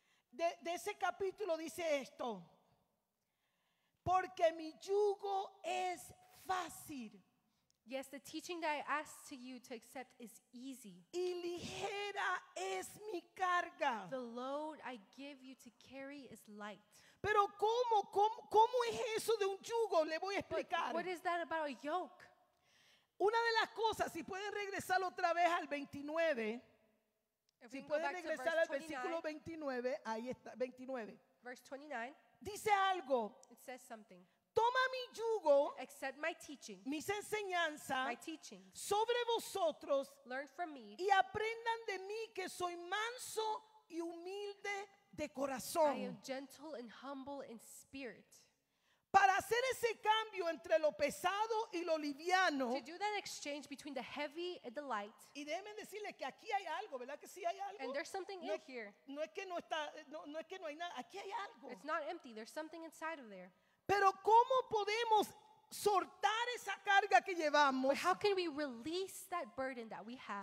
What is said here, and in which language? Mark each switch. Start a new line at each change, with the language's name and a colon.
Spanish: De ese capítulo dice esto, porque mi yugo es fácil.
English: Yes, the teaching that I asked to you to accept is easy.
Spanish: Y ligera es mi carga.
English: The load I give you to carry is light.
Spanish: Pero ¿cómo es eso de un yugo? Le voy a explicar.
English: But what is that about a yoke?
Spanish: Una de las cosas, si pueden regresar otra vez al 29. Si pueden regresar al versículo 29, ahí está, 29.
English: Verse
Spanish: 29. Dice algo.
English: It says something.
Spanish: Toma mi yugo.
English: Accept my teaching.
Spanish: Mis enseñanzas.
English: My teachings.
Spanish: Sobre vosotros.
English: Learn from me.
Spanish: Y aprendan de mí que soy manso y humilde de corazón.
English: I am gentle and humble in spirit.
Spanish: Para hacer ese cambio entre lo pesado y lo liviano.
English: To do that exchange between the heavy and the light.
Spanish: Y déjenme decirle que aquí hay algo, ¿verdad que sí hay algo?
English: And there's something in here.
Spanish: No es que no está, no es que no hay nada, aquí hay algo.
English: It's not empty, there's something inside of there.
Spanish: Pero ¿cómo podemos soltar esa carga que llevamos?
English: But how can we release that burden that we have?